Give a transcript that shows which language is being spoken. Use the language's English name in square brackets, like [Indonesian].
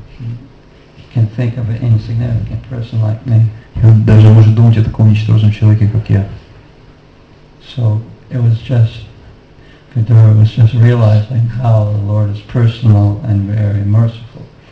[English] He can think of an insignificant person like me. [Russian] И он даже может думать о таком ничтожном человеке, как я. [English] So it was just, Vidura was just realizing how the Lord is personal and very merciful.